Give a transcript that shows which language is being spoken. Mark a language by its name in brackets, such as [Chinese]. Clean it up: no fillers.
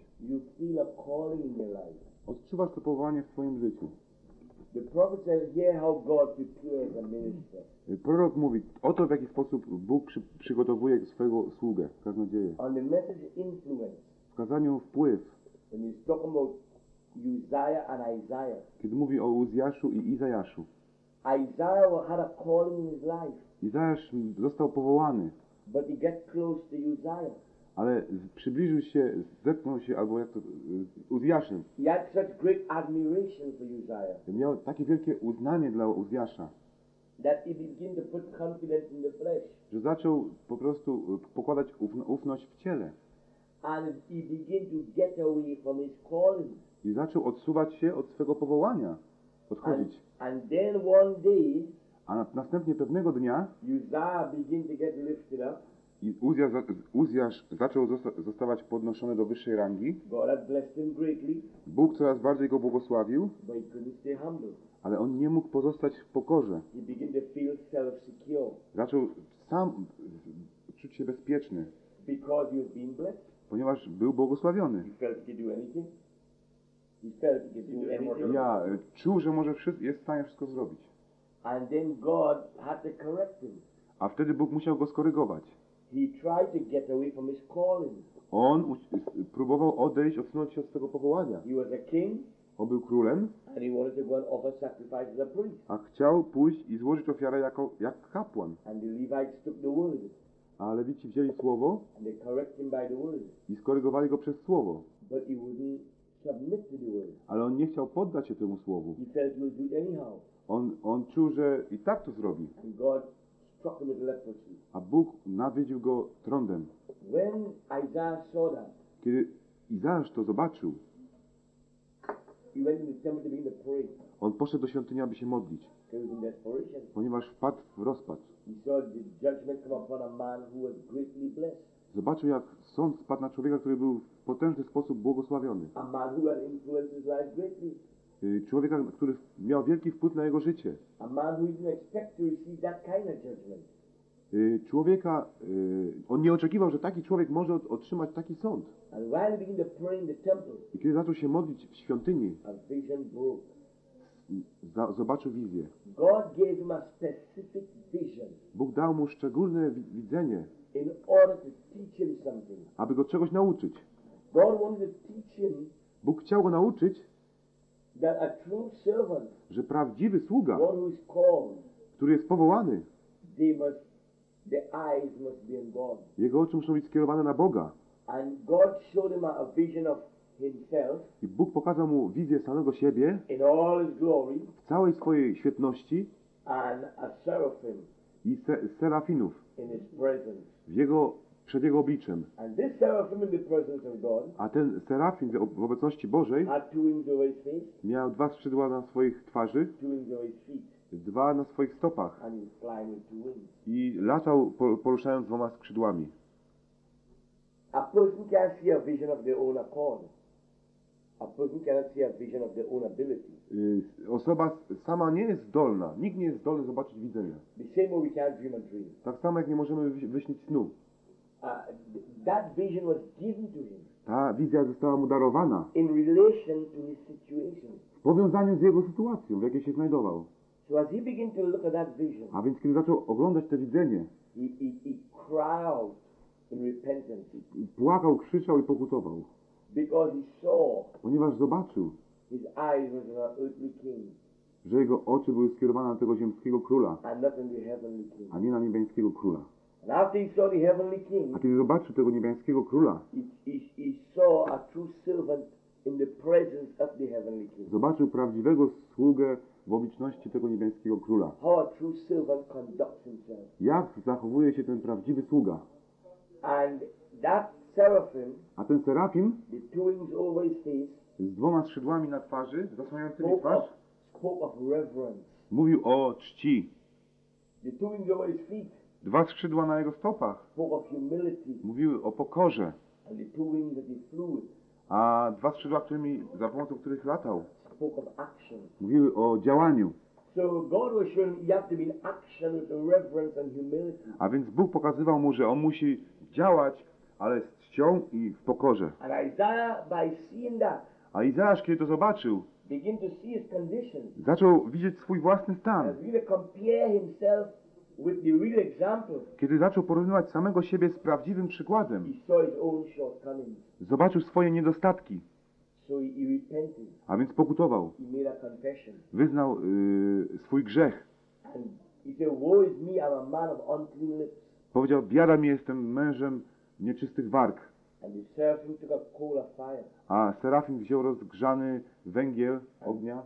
[English] You feel a calling in your life. [Polish] Odczuwasz to powołanie w Twoim życiu. [English] The prophet says, hear how God prepares a minister. [Polish] Prorok mówi o to, w jaki sposób Bóg przygotowuje swojego sługę, kaznodzieję. [English] On the message influence. [Polish] W kazaniu wpływ. [English] When he's talking about Uzziah and Isaiah. [Polish] Kiedy mówi o Uzjaszu i Izajaszu. [English] Isaiah had a calling in his life. [Polish] Izajasz został powołany. [English] But he got close to Uzziah. [Polish] Ale przybliżył się, zetknął się, albo jak to, Uzjaszem. [English] He had such great admiration for Uzziah. [Polish] Miał takie wielkie uznanie dla Uzjasza. [English] That he began to put confidence in the flesh. [Polish] Że zaczął po prostu pokładać ufność w ciele. [English] And he began to get away from his calling. [Polish] I zaczął odsuwać się od swego powołania, odchodzić. [English] And then one day, [Polish] a następnie pewnego dnia, [English] Uzziah began to get lifted up. [Polish] I Uzjasz zaczął zostawać podnoszony do wyższej rangi. [English] God had blessed him greatly. [Polish] Bóg coraz bardziej go błogosławił. [English] But he couldn't stay humble. [Polish] Ale on nie mógł pozostać w pokorze. [English] He began to feel self-secure. [Polish] Zaczął sam czuć się bezpieczny. [English] Because you've been blessed. [Polish] Ponieważ był błogosławiony. [English] He felt he could do anything. He felt he could do anything. [Polish] Ja czuł, że może jest w stanie wszystko zrobić. [English] And then God had to correct him. [Polish] A wtedy Bóg musiał go skorygować. [English] He tried to get away from his calling. [Polish] On próbował odejść, odsunąć się od tego powołania. [English] He was a king. [Polish] On był królem. [English] And he wanted to go and offer sacrifice as a priest. [Polish] A chciał pójść i złożyć ofiarę jak kapłan. [English] And the Levites took the word. [Polish] A Lewici wzięli słowo. [English] And they correct him by the word. [Polish] I skorygowali go przez słowo. [English] But he wouldn't submit to the word. [Polish] Ale on nie chciał poddać się temu słowu. [English] He said he would do it anyhow. [Polish] On czuł, że i tak to zrobi. [English] And God struck him with leprosy. [Polish] A Bóg nawiedził go trądem. [English] When Isaiah saw that, [Polish] kiedy Izajasz to zobaczył, [English] he went in the temple to begin to pray. [Polish] On poszedł do świątyni, aby się modlić. [English] He was in desperation. [Polish] Ponieważ wpadł w rozpacz. [English] He saw the judgment come upon a man who was greatly blessed. [Polish] Zobaczył, jak sąd spadł na człowieka, który był w potężny sposób błogosławiony. [English] A man who had influenced his life greatly. [Polish] Człowieka, który miał wielki wpływ na jego życie. [English] A man who didn't expect to receive that kind of judgment. [Polish] Człowieka, on nie oczekiwał, że taki człowiek może otrzymać taki sąd. [English] And while he began to pray in the temple, [Polish] i kiedy zaczął się modlić w świątyni, [English] a vision broke. [Polish] Zobaczył wizję. [English] God gave him a specific vision. [Polish] Bóg dał mu szczególne widzenie, [English] in order to teach him something. [Polish] Aby go czegoś nauczyć. [English] God wanted to teach him, [Polish] Bóg chciał go nauczyć, [English] that a true servant, [Polish] że prawdziwy sługa, [English] one who is called, [Polish] który jest powołany, [English] they must, their eyes must be on God. [Polish] Jego oczy muszą być skierowane na Boga. [English] And God showed him a vision of himself, [Polish] i Bóg pokazał mu wizję samego siebie [English] in all his glory, [Polish] w całej swojej świetności, [English] and a seraphim, [Polish] i serafinów [English] in his presence, [Polish] w jego, przed jego obliczem. [English] And this seraphim in the presence of God, [Polish] a ten serafin w obecności Bożej [English] had two wings over his face, [Polish] miał dwa skrzydła na swoich twarzy, [English] two wings over his feet, [Polish] dwa na swoich stopach, [English] and he was flying with two wings, [Polish] i latał poruszając dwoma skrzydłami. [English] A person can see a vision of their own accord. A person cannot see a vision of their own ability. [Polish] Osoba sama nie jest zdolna. Nikt nie jest zdolny zobaczyć widzenia. [English] The same way we can't dream a dream. [Polish] Tak samo jak nie możemy wyśnić snu. [English] That vision was given to him. [Polish] Ta wizja została mu darowana. [English] In relation to his situation. [Polish] W powiązaniu z jego sytuacją, w jakiej się znajdował. [English] So as he began to look at that vision. [Polish] A więc kiedy zaczął oglądać to widzenie. [English] He cried in repentance. [Polish] Płakał, krzyczał i pokutował. [English] Because he saw, [Polish] ponieważ zobaczył, [English] his eyes was on an earthly king, [Polish] że jego oczy były skierowane na tego ziemskiego króla, [English] and not on the heavenly king, [Polish] a nie na niebiańskiego króla. [English] And after he saw the heavenly king, [Polish] a kiedy zobaczył tego niebiańskiego króla, [English] he saw a true servant in the presence of the heavenly king. [Polish] Zobaczył prawdziwego sługę w obliczności tego niebiańskiego króla. [English] How a true servant conducts himself. [Polish] Jak zachowuje się ten prawdziwy sługa. [English] And that seraphim, [Polish] a ten serafim, [English] the two wings over his face, [Polish] z dwoma skrzydłami na twarzy, zasłaniającymi twarz, [English] spoke of reverence, [Polish] mówił o czci. [English] The two wings over his feet, [Polish] dwa skrzydła na jego stopach, [English] spoke of humility, [Polish] mówiły o pokorze. [English] And the two wings that he flew with, [Polish] a dwa skrzydła, którymi, za pomocą których latał, [English] spoke of action, [Polish] mówiły o działaniu. [English] So God was showing you have to be in action with reverence and humility. [Polish] A więc Bóg pokazywał mu, że on musi działać, ale z czcią i w pokorze. [English] And Isaiah, by seeing that, [Polish] a Izajasz, kiedy to zobaczył, [English] begin to see his condition, [Polish] zaczął widzieć swój własny stan. [English] Really compare himself with the real example, [Polish] kiedy zaczął porównywać samego siebie z prawdziwym przykładem, [English] he saw his own shortcomings. [Polish] Zobaczył swoje niedostatki. [English] So he repented. [Polish] A więc pokutował. [English] He made a confession. [Polish] Wyznał swój grzech. [English] And he said, woe is me, I'm a man of unclean lips. [Polish] Powiedział, biada mi, jestem mężem nieczystych warg. [English] And the seraphim took a coal of fire. [Polish] A serafim wziął rozgrzany węgiel ognia